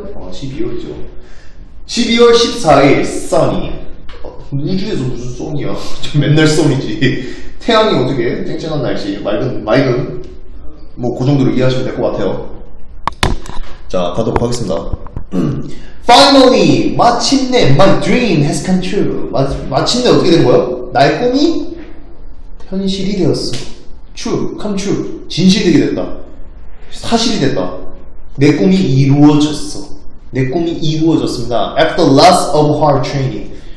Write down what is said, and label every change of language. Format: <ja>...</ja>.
<ko>12월이죠. 12월 14일, Sunny. 우주에서 무슨 Sunny야? 저 맨날 Sunny지. 태양이 어떻게 해? 쨍쨍한 날씨. 맑은. 뭐, 그 정도로 이해하시면 될 것 같아요. 자, 가도록 하겠습니다.</ko> <en>Finally!</en> <ko>마침내,</ko> <en>my dream has come true.</en> <ko>마침내 어떻게 된 거야? 나의 꿈이 현실이 되었어.</ko> <en>True, come true.</en> <ko>진실되게 됐다. 사실이 됐다. 내 꿈이 이루어졌어. 내 꿈이 이루어졌습니다.</ko> <en>After lots of hard training.</en>